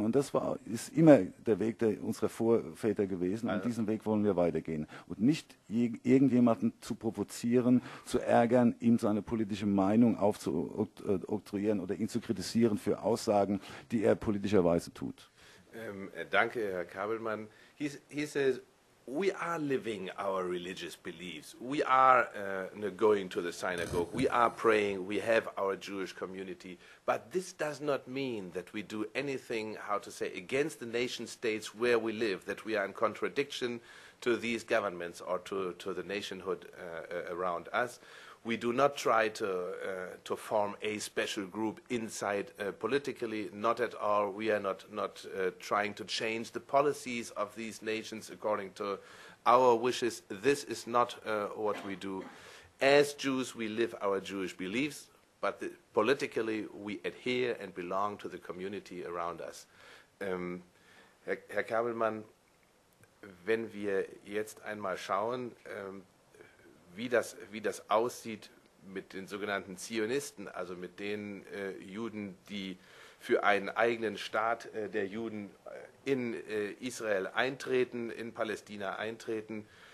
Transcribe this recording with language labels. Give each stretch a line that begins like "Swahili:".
German: Und das ist immer der Weg unserer Vorväter gewesen. Also, und diesen Weg wollen wir weitergehen. Und nicht irgendjemanden zu provozieren, zu ärgern, ihm seine politische Meinung aufzuoktroyieren oder ihn zu kritisieren für Aussagen, die er politischerweise tut. Danke, Herr Kabelmann.
English: He says, we are living our religious beliefs. We are going to the synagogue. We are praying. We have our Jewish community. But this does not mean that we do anything, how to say, against the nation states where we live, that we are in contradiction to these governments or to the nationhood around us. We do not try to form a special group inside politically, not at all. We are not trying to change the policies of these nations according to our wishes. This is not what we do. As Jews, we live our Jewish beliefs, but politically we adhere and belong to the community around us.
German: Herr Kabelmann, wenn wir jetzt einmal schauen, wie das aussieht mit den sogenannten Zionisten, also mit den Juden, die für einen eigenen Staat der Juden in Israel eintreten, in Palästina eintreten.